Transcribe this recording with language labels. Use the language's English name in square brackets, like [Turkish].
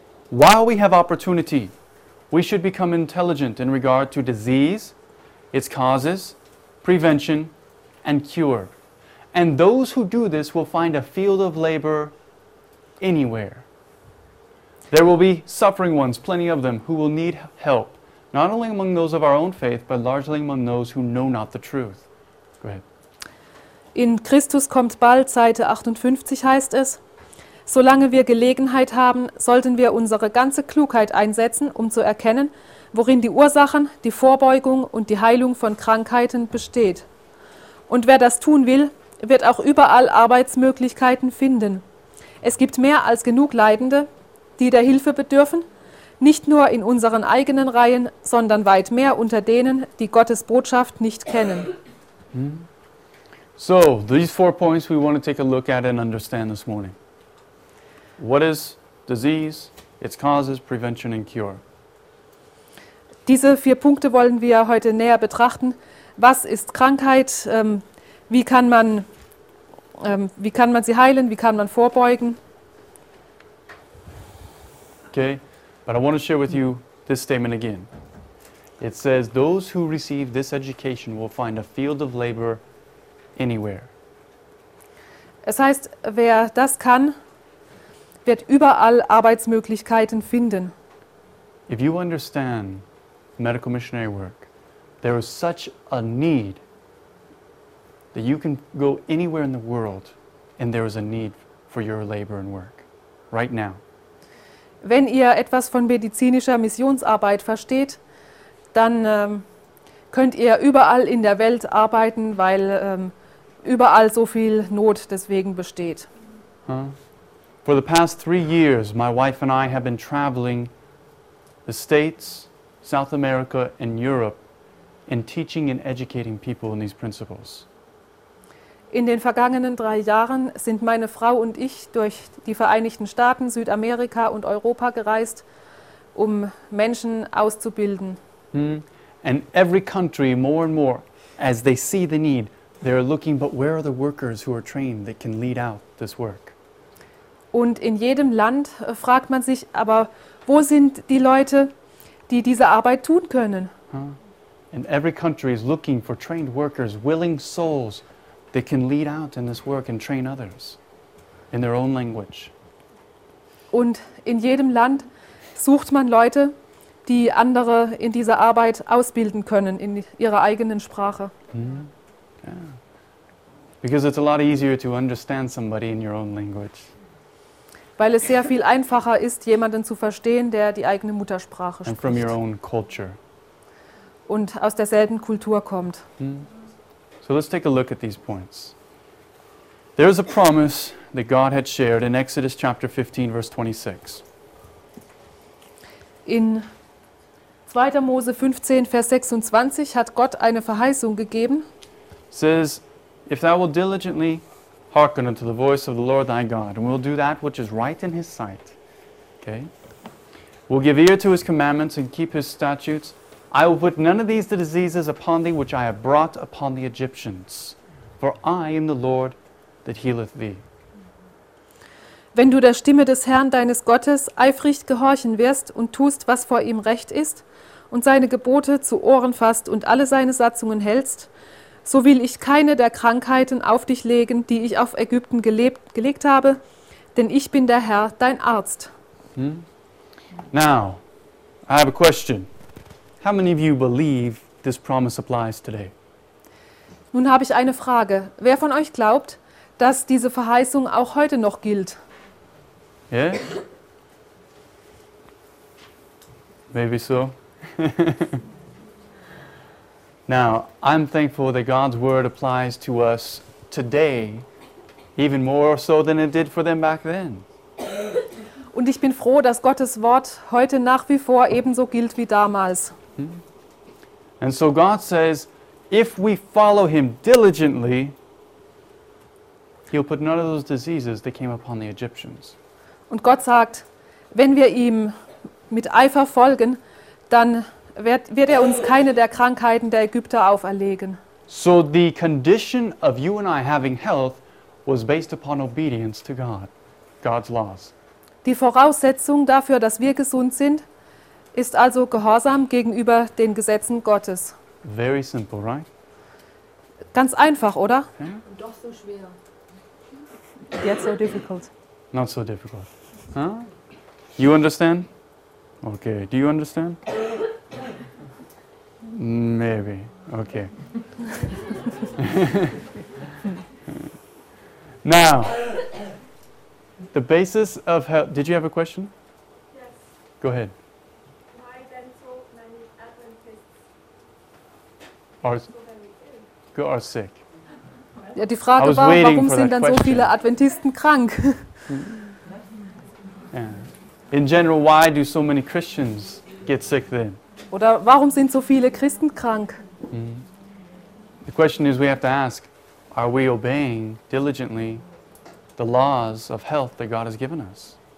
[English] while we have opportunity, we should become intelligent in regard to disease, its causes, prevention, and cure. And those who do this will find a field of labor anywhere. There will be suffering ones, plenty of them, who will need help, not only among those of our own faith, but largely among those who know not the truth. Go ahead. [German] In Christus kommt bald, Seite 58 heißt es, solange wir Gelegenheit haben, sollten wir unsere ganze Klugheit einsetzen, um zu erkennen, worin die Ursachen, die Vorbeugung und die Heilung von Krankheiten besteht. Und wer das tun will, wird auch überall Arbeitsmöglichkeiten finden. Es gibt mehr als genug Leidende, die der Hilfe bedürfen, nicht nur in unseren eigenen Reihen, sondern weit mehr unter denen, die Gottes Botschaft nicht kennen. [English] So, these four points we want to take a look at and understand this morning. What is disease, its causes, prevention and cure? [German] Diese vier Punkte wollen wir heute näher betrachten. Was ist Krankheit? Wie kann man sie heilen? Wie kann man vorbeugen? [English] Okay, but I want to share with you this statement again. It says, those who receive this education will find a field of labor anywhere. [German] Es heißt, wer das kann, wird überall Arbeitsmöglichkeiten finden. [English] If you understand medical missionary work, there is such a need that you can go anywhere in the world and there is a need for your labor and work right now. [German] Wenn ihr etwas von medizinischer Missionsarbeit versteht, dann könnt ihr überall in der Welt arbeiten, weil überall so viel Not deswegen besteht. [English] For the past 3 years, my wife and I have been traveling the States, South America and Europe and teaching and educating people in these principles. [German] In den vergangenen 3 Jahren sind meine Frau und ich durch die Vereinigten Staaten, Südamerika und Europa gereist, um Menschen auszubilden. [English] And every country, more and more, as they see the need, they're looking, but where are the workers who are trained that can lead out this work? [German] Und in jedem Land fragt man sich, aber wo sind die Leute, die diese Arbeit tun können? [English] And every country is looking for trained workers, willing souls, they can lead out in this work and train others in their own language. [German] Und in jedem Land sucht man Leute, die andere in dieser Arbeit ausbilden können in ihrer eigenen Sprache. [English] Because it's a lot easier to understand somebody in your own language. [German] Weil es sehr viel einfacher ist, jemanden zu verstehen, der die eigene Muttersprache spricht. [English] And from your own culture. [German] Und aus derselben Kultur kommt. [English] So let's take a look at these points. There is a promise that God had shared in Exodus chapter 15, verse 26. [German] In 2. Mose 15, Vers 26 hat Gott eine Verheißung gegeben. [English] It says, if thou wilt diligently hearken unto the voice of the Lord thy God, and will do that which is right in his sight, okay, will give ear to his commandments and keep his statutes, I will put none of these diseases upon thee which I have brought upon the Egyptians. For I am the Lord that healeth thee. [German] Wenn du der Stimme des Herrn deines Gottes eifrig gehorchen wirst und tust, was vor ihm recht ist, und seine Gebote zu Ohren fasst und alle seine Satzungen hältst, so will ich keine der Krankheiten auf dich legen, die ich auf Ägypten gelegt habe, denn ich bin der Herr, dein Arzt. [English] Now, I have a question. How many of you believe this promise applies today? [German] Nun habe ich eine Frage. Wer von euch glaubt, dass diese Verheißung auch heute noch gilt? [English] Yeah? Maybe so. Now, I'm thankful that God's word applies to us today, even more so than it did for them back then. [German] Und ich bin froh, dass Gottes Wort heute nach wie vor ebenso gilt wie damals. [English] And so God says, if we follow him diligently, he'll put none of those diseases that came upon the Egyptians. [German] Und Gott sagt, wenn wir ihm mit Eifer folgen, dann wird er uns keine der Krankheiten der Ägypter auferlegen. [English] So the condition of you and I having health was based upon obedience to God, God's laws. [German] Die Voraussetzung dafür, dass wir gesund sind, ist also Gehorsam gegenüber den Gesetzen Gottes. [English] Very simple, right? [German] Ganz einfach, oder? Und doch so schwer. [English] Yet so difficult. Not so difficult. Huh? You understand? Okay. Do you understand? Maybe. Okay. Now, the basis of how... Did you have a question? Yes. Go ahead. Why then so many Adventists are sick? [German] Ja, die Frage war, warum sind dann so viele Adventisten krank? [English] Yeah. In general, why do so many Christians get sick then? [German] Oder warum sind so viele Christen krank? [English] The question is, we have to ask, are we obeying diligently the laws of health that God has given us?